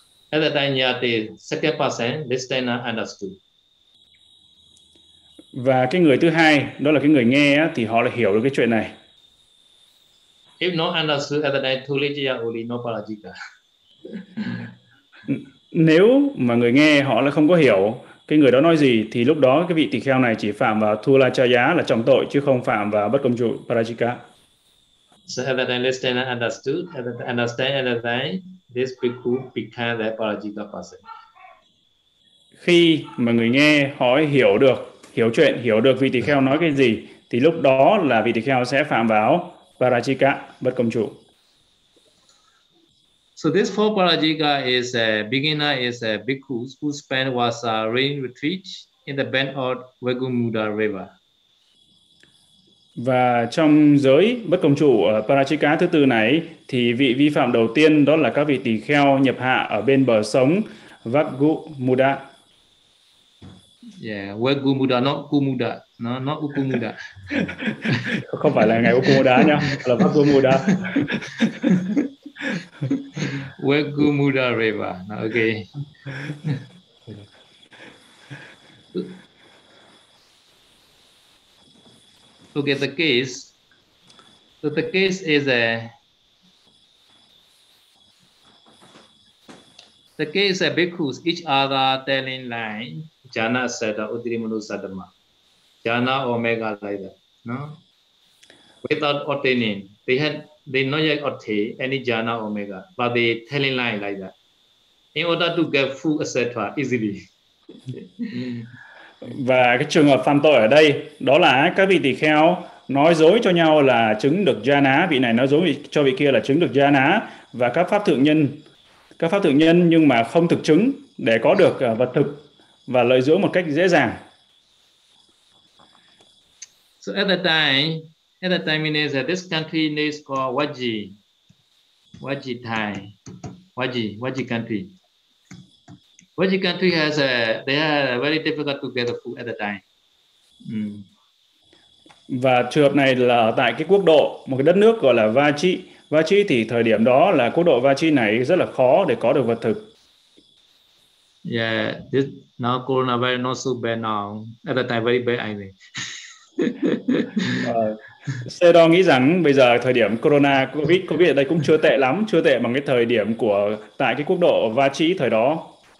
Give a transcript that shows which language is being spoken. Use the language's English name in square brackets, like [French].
[English] At the time, the second person, listener understood. [Vietnamese] Và cái người thứ hai, đó là cái người nghe thì họ lại hiểu được cái chuyện này. [English] If not understood at the time, tulijaya uli no parajika. [Vietnamese] Nếu mà người nghe họ lại không có hiểu cái người đó nói gì thì lúc đó cái vị tỳ kheo này chỉ phạm vào tulajaya là trọng tội chứ không phạm vào bất công trụ parajika. [English] So at the time, listener understood, at the time, this bhikkhu became the parajika person. [Vietnamese] Khi mà người nghe hỏi hiểu được, hiểu chuyện, hiểu được vị tỳ kheo nói cái gì thì lúc đó là vị tỳ kheo sẽ phạm vào parajika, bất công trụ. [English] So this four parajika is a beginner is a bhikkhu who spent was a rain retreat in the bend of Vagumuda River. [Vietnamese] Và trong giới bất công trụ parajika thứ tư này thì vị vi phạm đầu tiên đó là các vị tỳ kheo nhập hạ ở bên bờ sống Vagumuda. [English] Yeah, Vagumuda, not Kumuda. No, not Upumuda. [Vietnamese] Không phải là ngày Upumuda nha, là Vagumuda. [English] Vagumuda River. Okay. Okay, the case. So the case is bhikkhus, each other telling line, jhana sada, udrimanu sadama. Jhana omega like that, no? Without attaining, they not yet attain any jhana omega, but they telling line like that. In order to get full, et cetera, easily. [Vietnamese] Và cái trường hợp phạm tội ở đây, đó là các vị tỳ kheo nói dối cho nhau là chứng được jhana, vị này nói dối cho vị kia là chứng được jhana, và các pháp thượng nhân nhưng mà không thực chứng để có được vật thực và lợi dưỡng một cách dễ dàng. [English] So at the time it is that this country is called Waji country. Waji country they are very difficult to get the food at the time. [Vietnamese] Và trường hợp này là tại cái quốc độ, một cái đất nước gọi là Waji. Vachi thì thời điểm đó là quốc độ Vachi này rất là khó để có được vật thực. [English] Yeah, this now coronavirus not so bad now. At the time very bad, I mean. [Vietnamese] Sero nghĩ rằng bây giờ thời điểm corona COVID ở đây cũng chưa tệ lắm, chưa tệ bằng cái thời điểm của tại cái quốc độ Vachi thời đó.